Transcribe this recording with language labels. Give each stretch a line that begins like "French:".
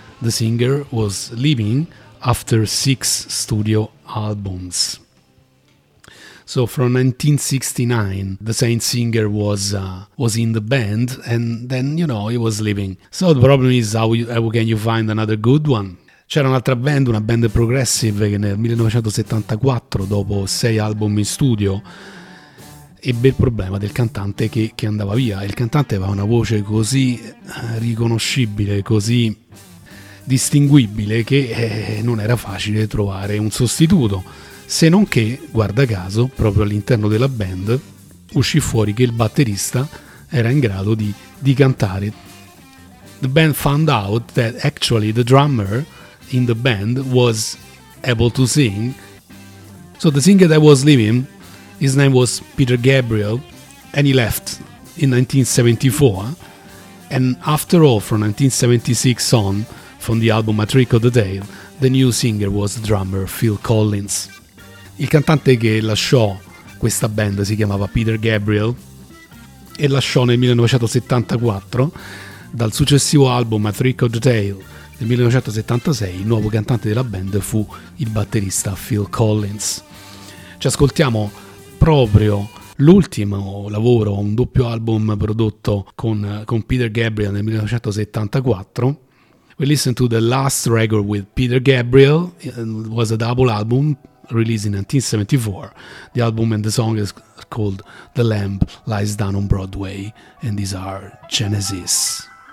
English: The singer was leaving after 6 studio albums. So from 1969, the same singer was in the band, and then, you know, he was leaving. So the problem is, how can you find another good one?
Italian: C'era un'altra band, una band progressive, che nel 1974, dopo 6 album in studio, ebbe il problema del cantante che andava via. Il cantante aveva una voce così riconoscibile, così distinguibile, che non era facile trovare un sostituto. Se non che, guarda caso, proprio all'interno della band uscì fuori che il batterista era in grado di cantare.
English: The band found out that actually the drummer in the band was able to sing. So the singer that was leaving, his name was Peter Gabriel, and he left in 1974. And after all, from 1976 on, from the album A Trick of the Tail, the new singer was the drummer Phil Collins.
Italian: Il cantante che lasciò questa band si chiamava Peter Gabriel e lasciò nel 1974, dal successivo album A Trick of the Tail del 1976, il nuovo cantante della band fu il batterista Phil Collins. Ci ascoltiamo proprio l'ultimo lavoro, un doppio album prodotto con Peter Gabriel nel 1974.
English: We listen to the last record with Peter Gabriel. It was a double album released in 1974. The album and the song is called The Lamb Lies Down on Broadway, and these are Genesis.